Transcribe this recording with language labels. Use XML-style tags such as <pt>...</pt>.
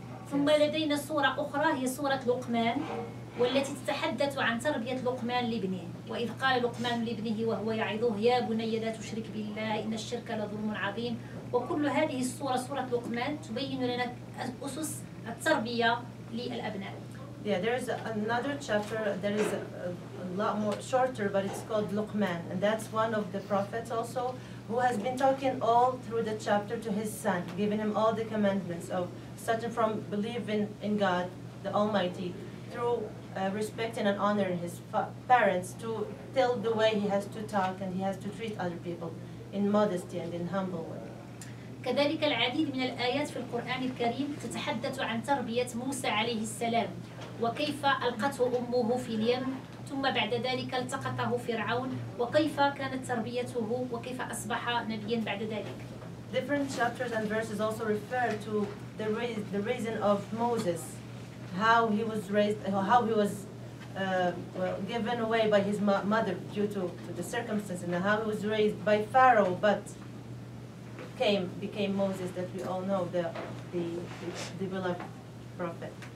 <ar>ثم لدينا صورة أخرى هي صورة لقمان والتي تتحدث عن تربية لقمان لابنه. وإذ قال لقمان لابنه وهو يعظه يا بني لا تشرك بالله إن الشرك لظلم عظيم. وكل هذه الصورة صورة لقمان تبين لنا أسس التربية للأبناء.</ar> <en>Yeah, there's another chapter that is a lot more shorter, but it's called Luqman. And that's one of the prophets also who has been talking all through the chapter to his son, giving him all the commandments of starting from believing in God, the Almighty, through respecting and honoring his parents, to tell the way he has to talk and he has to treat other people in modesty and in humble way.</en> <ar>كذلك العديد من الآيات في القرآن الكريم تتحدث عن تربية موسى عليه السلام وكيف ألقته أمه في اليم ثم بعد ذلك التقطه فرعون وكيف كانت تربيته وكيف أصبح نبيا بعد ذلك.</ar> <en>Different chapters and verses also refer to the raising of Moses, how he was raised, how he was given away by his mother due to the circumstances, and how he was raised by Pharaoh, but became Moses that we all know, the beloved prophet.</en>